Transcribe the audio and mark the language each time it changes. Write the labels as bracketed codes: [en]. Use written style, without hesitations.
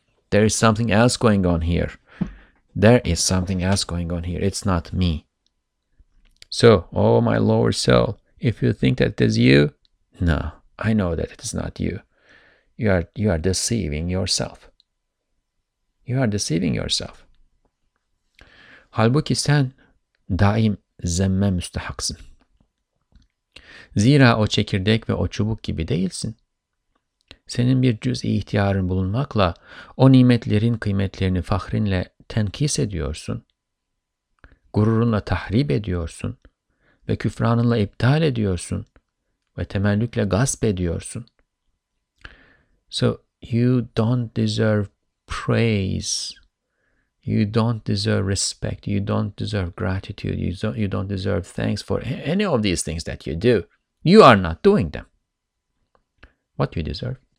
[en] There is something else going on here. It's not me. So, oh my lower soul, if you think that it is you, no, I know that it is not you. You are deceiving yourself. You are deceiving yourself. [tr] Halbuki sen daim zemme müstehaksın. Zira o çekirdek ve o çubuk gibi değilsin. Senin bir cüz-i ihtiyarın bulunmakla, o nimetlerin kıymetlerini fahrinle tenkis ediyorsun, gururunla tahrip ediyorsun ve küfranınla iptal ediyorsun ve temellükle gasp ediyorsun. [en] So you don't deserve praise. You don't deserve respect. You don't deserve gratitude. You don't deserve thanks for any of these things that you do. You are not doing them. What you deserve.